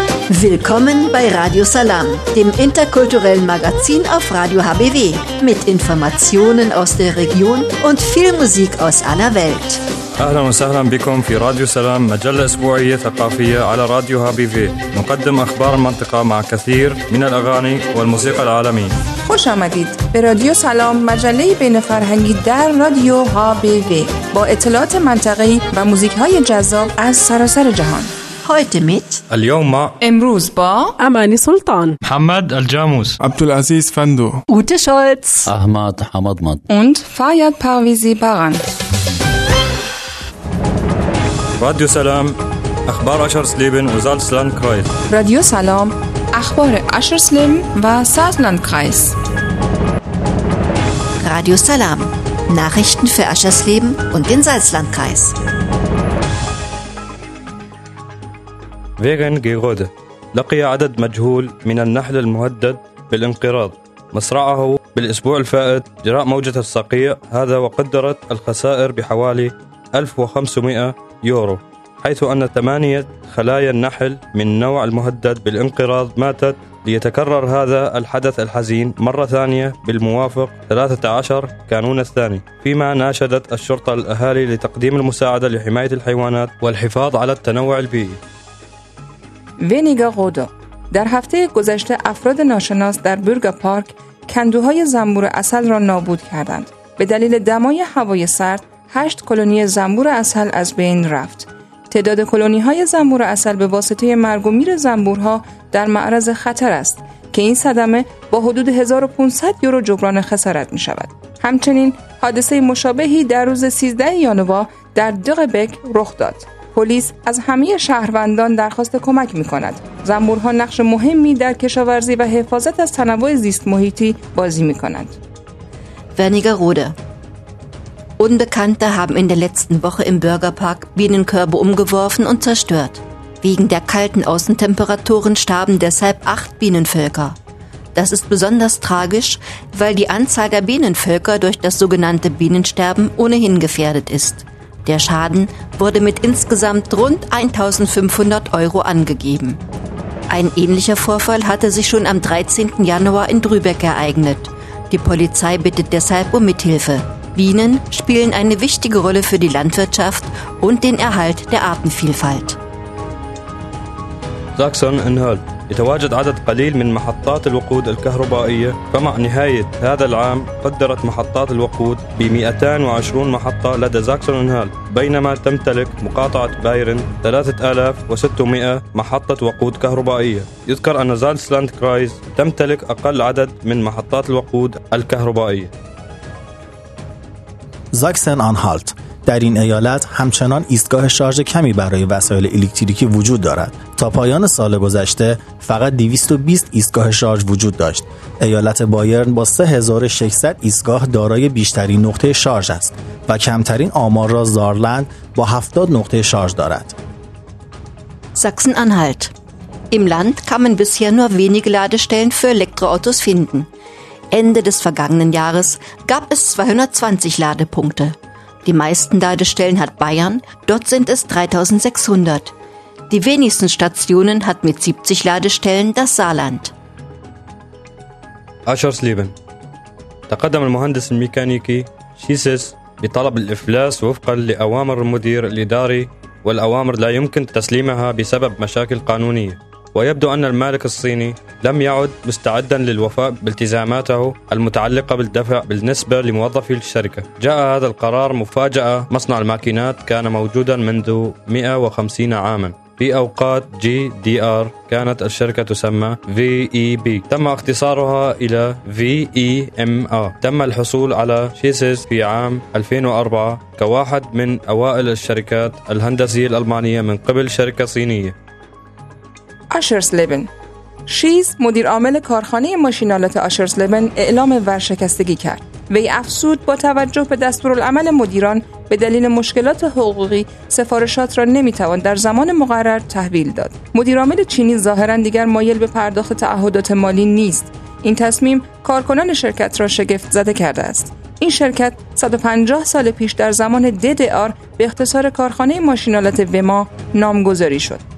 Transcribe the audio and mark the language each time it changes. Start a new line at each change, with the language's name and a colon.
German: Willkommen bei Radio Salam, dem interkulturellen Magazin auf Radio HBW, mit Informationen aus der Region und viel Musik aus aller Welt.
Arabic: اهلا وسهلا بكم في راديو سلام مجله اسبوعيه ثقافيه على راديو هابي في نقدم اخبار المنطقه مع كثير من الاغاني والموسيقى العالميه
Persian: خوش آمدید به رادیو سلام مجله بین فرهنگی در رادیو هابی في با اطلاعات منطقه‌ای و موزیک های جذاب از سراسر جهان
German: heute mit
Arabic: اليوم
Persian: مع امروز با اماني سلطان محمد الجاموس عبدالعزيز فندو اوته شولتز احمد حمد مد und فياد پرویزی باران
Arabic: راديو سلام اخبار اشرس ليبن وزالسلاند كرايس راديو سلام اخبار اشرس ليبن وزالسلاند كرايس
German: راديو سلام Nachrichten für اشرس ليبن und den Salzlandkreis
Arabic: فيغن جيغود لقي عدد مجهول من النحل المهدد بالانقراض مصرعه بالاسبوع الفائت جراء موجه الصقيع هذا وقدرت الخسائر بحوالي 1500 يورو حيث أن 8 خلايا النحل من نوع المهدد بالانقراض ماتت ليتكرر هذا الحدث الحزين مرة ثانية بالموافق 13 كانون الثاني فيما ناشدت الشرطة الأهالي لتقديم المساعدة لحماية الحيوانات والحفاظ على التنوع البيئي
Persian: وينيغا غودا در هفته گذشته افراد ناشناس در برگا پارک کندوهای زنبور عسل را نابود کردند به دلیل دمای هوای سرد 8 کلونی زنبور عسل از بین رفت. تعداد کلونی های زنبور عسل به واسطه مرگ و میر زنبورها در معرض خطر است که این صدمه با حدود 1500 یورو جبران خسارت می شود. همچنین حادثه مشابهی در روز 13 یانوا در دقبک رخ داد. پلیس از همه شهروندان درخواست کمک می کند. زنبورها نقش مهمی در کشاورزی و حفاظت از تنوع زیست محیطی بازی می کنند.
German: Wernigerode Unbekannte haben in der letzten Woche im Bürgerpark Bienenkörbe umgeworfen und zerstört. Wegen der kalten Außentemperaturen starben deshalb 8 Bienenvölker. Das ist besonders tragisch, weil die Anzahl der Bienenvölker durch das sogenannte Bienensterben ohnehin gefährdet ist. Der Schaden wurde mit insgesamt rund 1500 Euro angegeben. Ein ähnlicher Vorfall hatte sich schon am 13. Januar in Drübeck ereignet. Die Polizei bittet deshalb um Mithilfe. Bienen spielen eine wichtige Rolle für die Landwirtschaft und den Erhalt der Artenvielfalt. Sachsen-Anhalt.
Arabic: يتواجد عدد قليل من محطات الوقود الكهربائية فمع نهاية هذا العام قدرت محطات الوقود ب 220 محطة لدى ساكسون-أنهالت بينما تمتلك مقاطعة بايرن 3600 محطة وقود كهربائية يذكر أن زالسلاند كرايز تمتلك أقل عدد من محطات الوقود الكهربائية
Persian: ساكسن-أنهالت در این ایالت همچنان ایستگاه شارژ کمی برای وسایل الکتریکی وجود دارد. تا پایان سال گذشته فقط 220 ایستگاه شارژ وجود داشت. ایالت بایرن با 3600 ایستگاه دارای بیشترین نقطه شارژ است و کمترین آمار را زارلند با 70 نقطه شارژ دارد.
German: Sachsen-Anhalt. Im Land kann man bisher nur wenige Ladestellen für Elektroautos finden. Ende des vergangenen Jahres gab es 220 Ladepunkte. Die meisten Ladestellen hat Bayern, dort sind es 3600. Die wenigsten Stationen hat mit 70 Ladestellen das Saarland.
Arabic: اشرس ليبن تقدم المهندس الميكانيكي شيسس بطلب الافلاس وفقا لاوامر المدير الاداري والاوامر لا يمكن تسليمها بسبب مشاكل قانونيه ويبدو ان المالك الصيني لم يعد مستعدا للوفاء بالتزاماته المتعلقه بالدفع بالنسبه لموظفي الشركه جاء هذا القرار مفاجاه مصنع الماكينات كان موجودا منذ 150 عاما في اوقات جي دي ار كانت الشركه تسمى في اي بي تم اختصارها الى في اي ام ا تم الحصول على شيسس في عام 2004 كواحد من اوائل الشركات الهندسيه الالمانيه من قبل شركه صينيه
Persian: اشرس ليبن شیز مدیر عامل کارخانه ماشینالات اشرس ليبن اعلام ورشکستگی کرد وی افسود با توجه به دستورالعمل مدیران به دلیل مشکلات حقوقی سفارشات را نمیتوان در زمان مقرر تحویل داد مدیر عامل چینی ظاهرا دیگر مایل به پرداخت تعهدات مالی نیست این تصمیم کارکنان شرکت را شگفت زده کرده است این شرکت 150 سال پیش در زمان دد آر به اختصار کارخانه ماشینالات وما نامگذاری شد